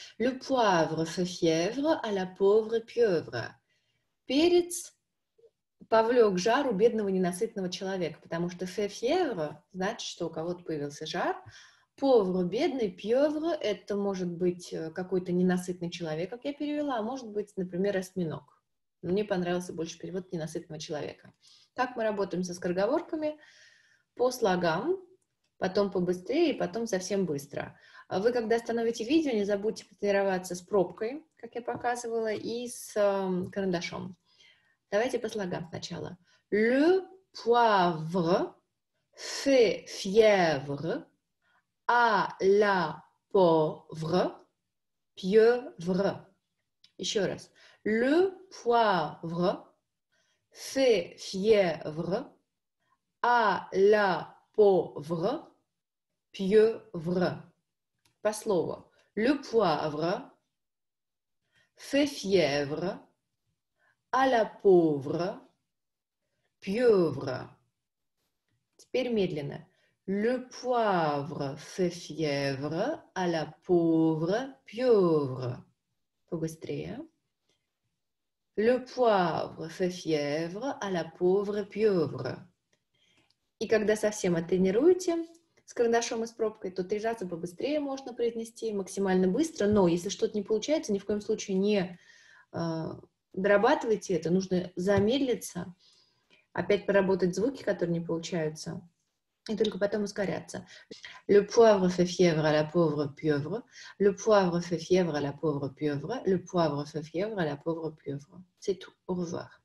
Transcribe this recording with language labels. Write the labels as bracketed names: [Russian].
[French] Le poivre fait fièvre à la pauvre pieuvre. [Russian] Перец повлек жар у бедного ненасытного человека, потому что [French] fait fièvre [Russian] значит, что у кого-то появился жар. Pauvre, бедный, pieuvre, это может быть какой-то ненасытный человек, как я перевела, а может быть, например, осьминог. Мне понравился больше перевод ненасытного человека. Как мы работаем со скороговорками? По слогам, потом побыстрее, и потом совсем быстро. Вы, когда остановите видео, не забудьте потренироваться с пробкой, как я показывала, и с карандашом. Давайте по слогам сначала. [French] Le poivre fait fièvre à la pauvre pieuvre. [Russian] Еще раз. [French] Le poivre fait fièvre à la pauvre pieuvre. [Russian] По слову. [French] Le poivre fait fièvre à la pauvre pieuvre. [Russian] Теперь медленно. [French] Le poivre fait fièvre à la pauvre pieuvre. [Russian] Побыстрее. [French] Le poivre fait fièvre à la pauvre pieuvre. [Russian] И когда совсем оттренируете с карандашом и с пробкой, то три раза побыстрее можно произнести, максимально быстро. Но если что-то не получается, ни в коем случае не дорабатывайте это. Нужно замедлиться, опять поработать звуки, которые не получаются, и только потом ускоряться. [French] Le poivre fait fièvre à la pauvre pieuvre. Le poivre fait fièvre à la pauvre pieuvre. Le poivre fait fièvre à la pauvre pieuvre. C'est tout. Au revoir.